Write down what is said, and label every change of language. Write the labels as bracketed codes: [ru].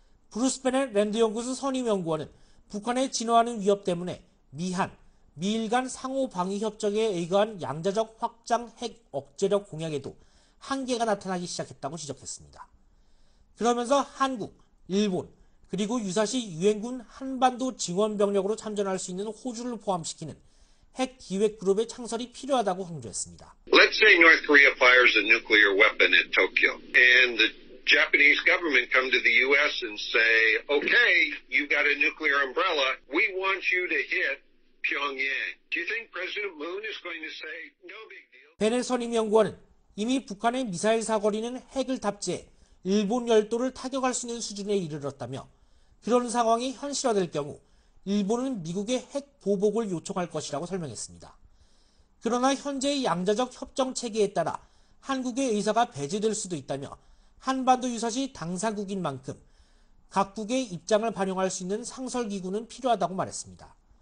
[ko] 브루스 베넷 랜드연구소 선임연구원은 북한의 진화하는 위협 때문에 미한, 미일 간 상호 방위 협정에 의거한 양자적 확장 핵 억제력 공약에도 한계가 나타나기 시작했다고 지적했습니다. 그러면서 한국, 일본, 그리고 유사시 유엔군 한반도 증원병력으로 참전할 수 있는 호주를 포함시키는 핵 기획 그룹의 창설이 필요하다고 강조했습니다. [en] Let's say North Korea fires a nuclear weapon at Tokyo and the Japanese government come to the U.S. and say, okay, you've got a nuclear umbrella. We want you to hit Pyongyang. Do you think President Moon is going to say, no big deal? [ko] 벤의 선임 연구원은 이미 북한의 미사일 사거리는 핵을 탑재해 일본 열도를 타격할 수 있는 수준에 이르렀다며 그런 상황이 현실화될 경우 일본은 미국의 핵 보복을 요청할 것이라고 설명했습니다. 그러나 현재의 양자적 협정 체계에 따라 한국의 의사가 배제될 수도 있다며 한반도 유사시 당사국인 만큼 각국의 입장을 반영할 수 있는 상설기구는 필요하다고 말했습니다.